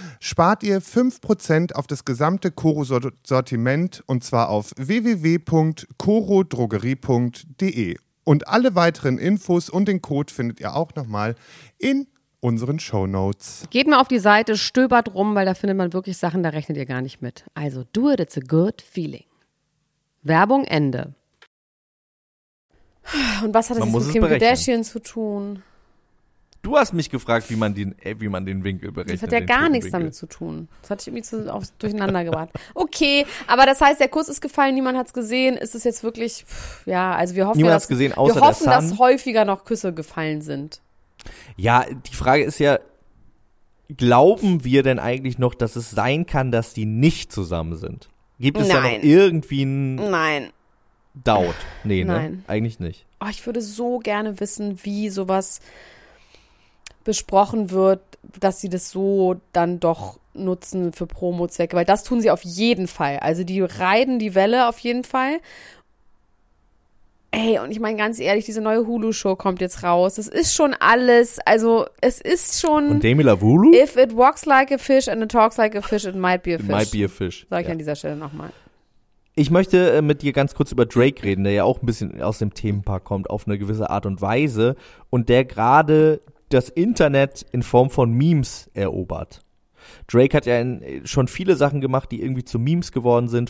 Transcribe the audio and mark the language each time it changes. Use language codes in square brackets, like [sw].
[de] Spart ihr 5% auf das gesamte Koro-Sortiment, und zwar auf www.korodrogerie.de. Und alle weiteren Infos und den Code findet ihr auch nochmal in unseren Shownotes. Geht mal auf die Seite, stöbert rum, weil da findet man wirklich Sachen, da rechnet ihr gar nicht mit. [en] Also do it, it's a good feeling. [de] Werbung Ende. Und was hat das mit Kim Kardashian zu tun? Du hast mich gefragt, wie man den Winkel berechnet. Das hat ja gar nichts damit zu tun. Das hatte ich irgendwie durcheinander gebracht. Okay, aber das heißt, der Kuss ist gefallen, niemand hat es gesehen. Ist es jetzt wirklich, ja, also wir hoffen, dass häufiger noch Küsse gefallen sind. Ja, die Frage ist ja, glauben wir denn eigentlich noch, dass es sein kann, dass die nicht zusammen sind? Gibt es Nein. da noch irgendwie einen Nein. Doubt? Nee, Nein. ne? Eigentlich nicht. Oh, ich würde so gerne wissen, wie sowas besprochen wird, dass sie das so dann doch nutzen für Promo-Zwecke. Weil das tun sie auf jeden Fall. Also die reiten die Welle auf jeden Fall. Ey, und ich meine ganz ehrlich, diese neue Hulu-Show kommt jetzt raus. Das ist schon alles, also es ist schon... Und Demi Lovato? [en] If it walks like a fish and it talks like a fish, it might be a fish. It might be a fish. [de] Sag ich ja. an dieser Stelle nochmal. Ich möchte mit dir ganz kurz über Drake reden, der ja auch ein bisschen aus dem Themenpark kommt, auf eine gewisse Art und Weise. Und der gerade das Internet in Form von Memes erobert. Drake hat ja schon viele Sachen gemacht, die irgendwie zu Memes geworden sind.